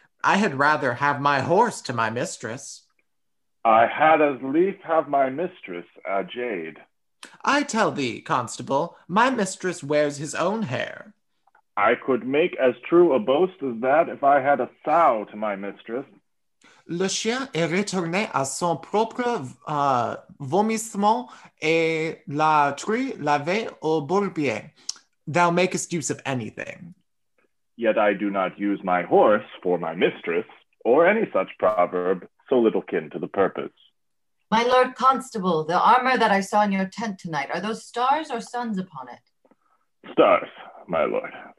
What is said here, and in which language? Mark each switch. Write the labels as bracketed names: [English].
[English] I had rather have my horse to my mistress. I had as lief have my mistress a jade. I tell thee, constable, my mistress wears his own hair. I could make as true a boast as that if I had a sow to my mistress. [French] Le chien est retourné à son propre vomissement et la truie lavée au bourbier. [English] Thou makest use of anything. Yet I do not use my horse for my mistress, or any such proverb, so little kin to the purpose. My lord constable, the armor that I saw in your tent tonight, are those stars or suns upon it? Stars, my lord.